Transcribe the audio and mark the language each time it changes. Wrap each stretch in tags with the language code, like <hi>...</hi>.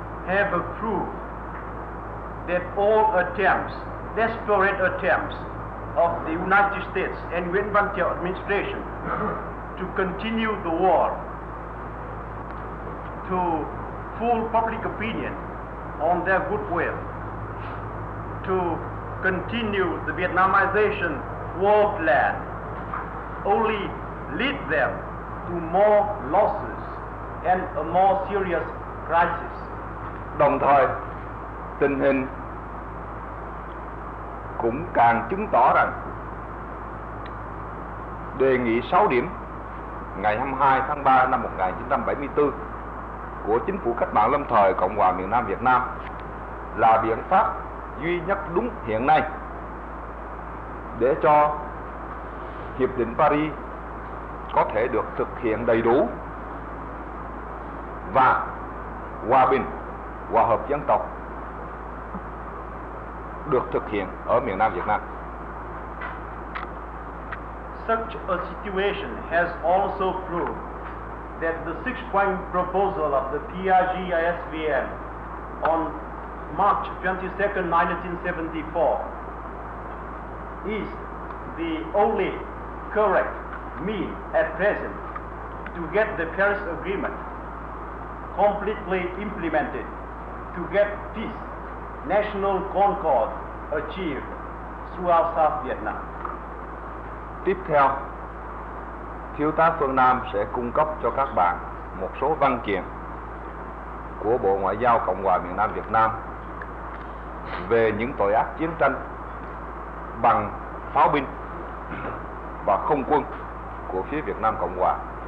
<en>have proved that all attempts, desperate attempts of the United States and Nguyễn Văn Thiệu administration to continue the war, to fool public opinion on their goodwill, to continue the Vietnamization war plan, only lead them to more losses and a more serious crisis.</en> <vi>Đồng thời, tình hình cũng càng chứng tỏ rằng đề nghị 6 điểm ngày 22 tháng 3 năm 1974 của chính phủ cách mạng lâm thời Cộng hòa miền Nam Việt Nam là biện pháp duy nhất đúng hiện nay để cho Hiệp định Paris có thể được thực hiện đầy đủ và hòa bình, hòa hợp dân tộc được thực hiện ở miền Nam Việt Nam.</vi> <en>such a situation has also proved that the six-point proposal of the PRG-ISVM on March 22, 1974 is the only correct means at present to get the Paris Agreement completely implemented, to get peace, national concord achieved throughout South Vietnam.</en> <vi>Tiếp theo, Thiếu tá Phương Nam sẽ cung cấp cho các bạn một số văn kiện của Bộ Ngoại giao Cộng hòa miền Nam Việt Nam về những tội ác chiến tranh bằng pháo binh và không quân của phía Việt Nam Cộng hòa.</vi>